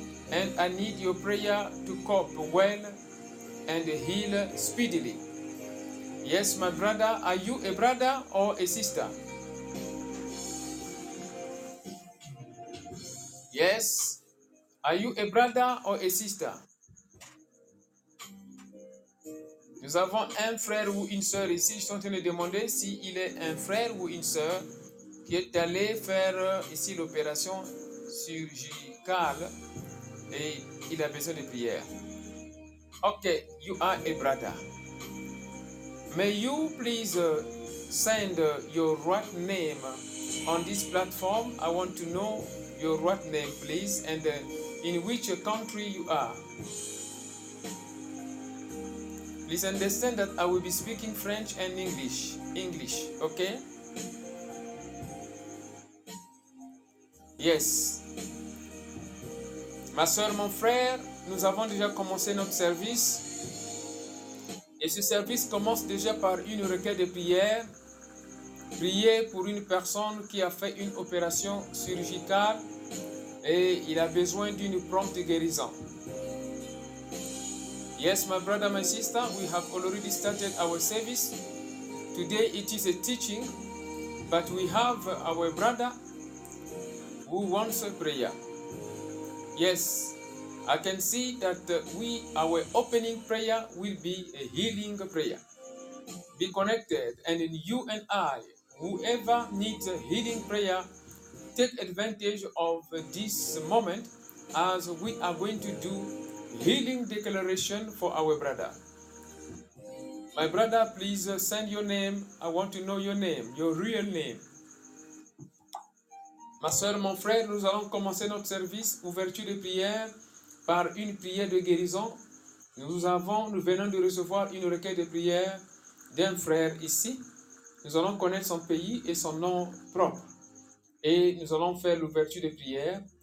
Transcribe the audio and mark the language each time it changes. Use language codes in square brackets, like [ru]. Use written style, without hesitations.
[en] and I need your prayer to cope well and heal speedily. Yes, my brother, are you a brother or a sister? Yes, are you a brother or a sister? [fr] Nous avons un frère ou une sœur ici. Je suis en train de demander s'il est un frère ou une sœur qui est allé faire ici l'opération chirurgicale et il a besoin de prière. [en] Ok, you are a brother. May you please send your right name on this platform. I want to know your right name, please, and in which country you are. Please understand that I will be speaking French and English. English, okay? Yes. [fr] Ma soeur, mon frère, nous avons déjà commencé notre service. Et ce service commence déjà par une requête de prière. Priez pour une personne qui a fait une opération chirurgicale et il a besoin d'une prompte guérison. [en] Yes, my brother, my sister, we have already started our service. Today it is a teaching, but we have our brother who wants a prayer. Yes, I can see that our opening prayer will be a healing prayer. Be connected, and in you and I, whoever needs a healing prayer, take advantage of this moment as we are going to do healing declaration for our brother. My brother, please send your name. I want to know your name, your real name. [fr] Ma soeur, mon frère, nous allons commencer notre service ouverture de prière par une prière de guérison. Nous venons de recevoir une requête de prière d'un frère ici. Nous allons connaître son pays et son nom propre. Et nous allons faire l'ouverture de prière.